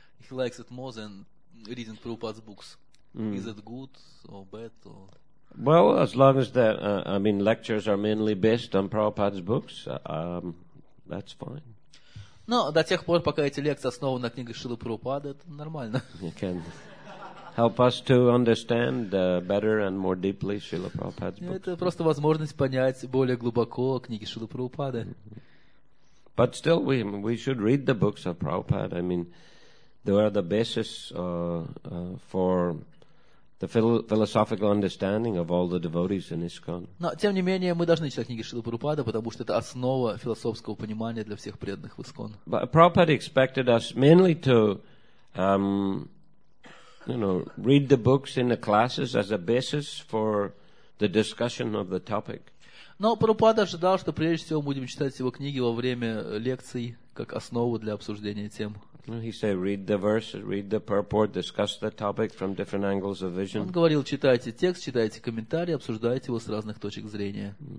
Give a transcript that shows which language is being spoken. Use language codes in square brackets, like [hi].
[en] He likes it more than reading Prabhupada's books. Mm. Is it good or bad? Or? Well, as long as that, lectures are mainly based on Prabhupada's books, that's fine. [ru] No, до тех пор, пока эти лекции основаны на книгах Шрилы Прабхупады, это нормально. [en] You can help us to understand better and more deeply Srila Prabhupada's books. [ru] Это просто возможность понять более глубоко книги Шрилы Прабхупады. [en] But still we should read the books of Prabhupada. I mean, they are the basis for the philosophical understanding of all the devotees in ISKCON. [ru] Но тем не менее мы должны читать книги Шрилы Прабхупады, потому что это основа философского понимания для всех преданных в ISKCON. [en] But Prabhupada expected us mainly to read the books in the classes as a basis for the discussion of the topic. [ru] Но Прабхупада ожидал, что прежде всего будем читать его книги во время лекций как основу для обсуждения тем. [en] He said, read the verses, read the purport, discuss the topic from different angles of vision. [ru] Он говорил, читайте текст, читайте комментарии, обсуждайте его с разных точек зрения.